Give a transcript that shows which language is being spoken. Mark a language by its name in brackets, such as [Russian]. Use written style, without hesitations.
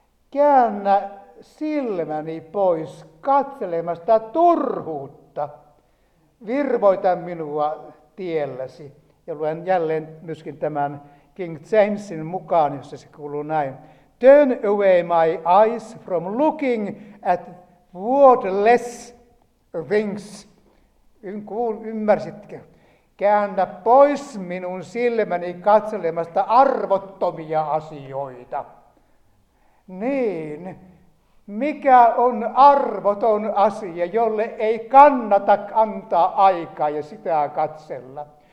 [Finnish] Käännä silmäni pois katselemasta turhuutta. Virvoita minua tielläsi. Ja luen jälleen myöskin tämän King Jamesin mukaan, jossa se kuuluu näin. [English] Turn away my eyes from looking at worthless things. [Finnish] Ymmärsitkö? Käännä pois minun silmäni katselemasta arvottomia asioita. Niin, mikä on arvoton asia, jolle ei kannata antaa aikaa ja sitä katsella?